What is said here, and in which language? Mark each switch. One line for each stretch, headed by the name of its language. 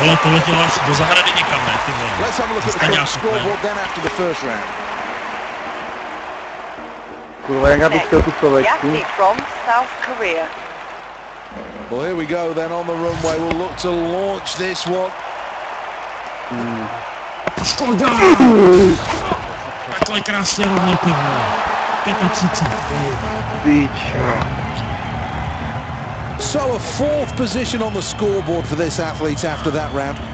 Czech: Hele, to letělo až do zahrady někam, ne, ty vole.
English: Let's have a look at the scoreboard then after the first round.
Czech: Kurva, jak já bych chtěl tu slovečku.
English: From South Korea. Well, here we go then on the runway. We'll look to launch this one.
Czech: Takhle krásně rovně, ty vole. 35.
English: So a fourth position on the scoreboard for this athlete after that round.